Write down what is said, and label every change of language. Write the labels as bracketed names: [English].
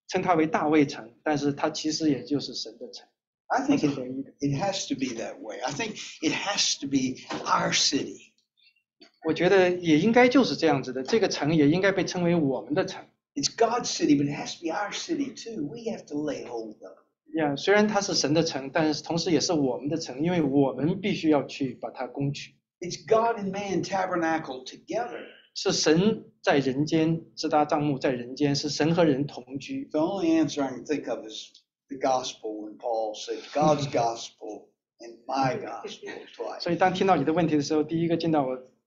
[Chinese] 我相信这是神和人的这个合一，这个联合。所以这个就好像这边说的，神的福音也是保罗说是我的福音是一样的，就是当大卫把按照着神的旨意把那个城攻取的时候，称它为大卫城，但是它其实也就是神的城。 [English] I think it has to be that way. I think it has to be our city. [Chinese] 我觉得也应该就是这样子的，这个城也应该被称为我们的城。It's [English] God's city, but it has to be our city too. We have to lay hold of it. [Chinese] Yeah, 虽然它是神的城，但是同时也是我们的城，因为我们必须要去把它攻取。It's [English] God and man tabernacle together. [Chinese] 是神在人间，自搭帐幕在人间，是神和人同居。The [English] only answer I can think of is the gospel when Paul said God's gospel and my gospel twice. [Chinese] 所以当听到你的问题的时候，第一个见到我。